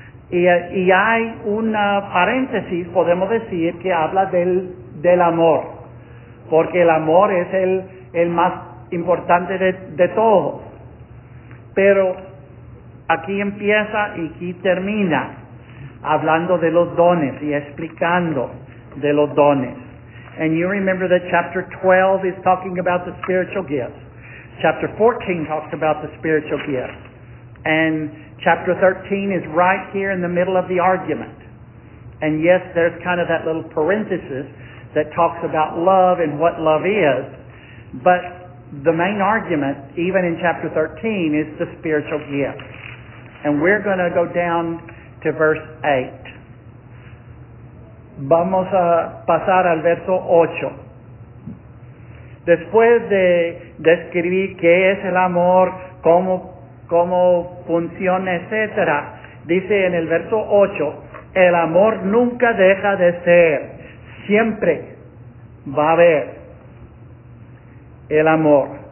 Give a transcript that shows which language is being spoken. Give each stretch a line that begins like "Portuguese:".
Spanish: Y hay una paréntesis, podemos decir, que habla del amor, porque el amor es el más importante de todos. Pero aquí empieza y aquí termina hablando de los dones y explicando de los dones.
English: And you remember that chapter 12 is talking about the spiritual gifts. Chapter 14 talks about the spiritual gifts. And chapter 13 is right here in the middle of the argument. And yes, there's kind of that little parenthesis that talks about love and what love is, but the main argument, even in chapter 13, is the spiritual gift. And we're going to go down to verse 8.
Spanish: Vamos a pasar al verso 8. Después de describir qué es el amor, cómo funciona, etc., dice en el verso 8, el amor nunca deja de ser, siempre va a haber el amor.